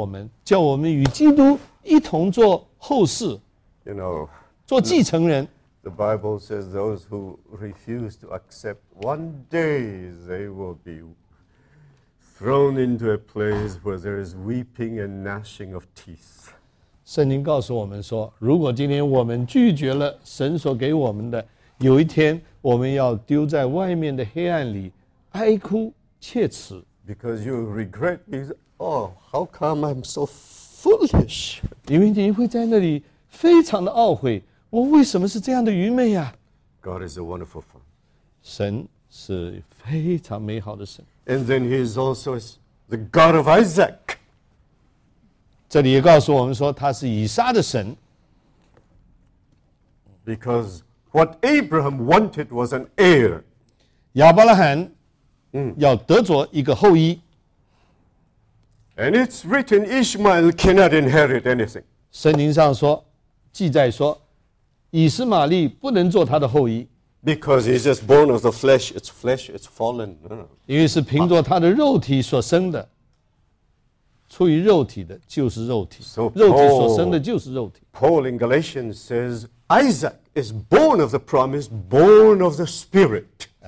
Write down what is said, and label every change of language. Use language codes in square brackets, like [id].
[zh] 一切的约里,所有的一切,他都给了我们,叫我们与基督一同做后事, [en] you know, [zh] 做继承人。 [en] The Bible says those who refuse to accept one day, they will be thrown into a place where there is weeping and gnashing of teeth. [zh] 圣经告诉我们说, 如果今天我们拒绝了神所给我们的, 有一天我们要丢在外面的黑暗里, 哀哭切齿。 [en] Because you regret, you say, oh, how come I'm so foolish? [zh] 因为你会在那里非常的懊悔, 我为什么是这样的愚昧啊? [en] God is a wonderful Father. [zh] 神是非常美好的神。 [en] And then he is also the God of Isaac. [zh] 这里也告诉我们说他是以撒的神。 [en] Because what Abraham wanted was an heir. [zh] 亚伯拉罕要得着一个后裔。 [en] And it's written Ishmael cannot inherit anything. [zh] 圣经上说,记载说,以实玛利不能做他的后裔。 [en] Because he's just born of the flesh, it's flesh, it's fallen. [zh] 因为是凭着他的肉体所生的,出于肉体的就是肉体,肉体所生的就是肉体。 [en] Paul in Galatians says, Isaac is born of the promise, born of the spirit.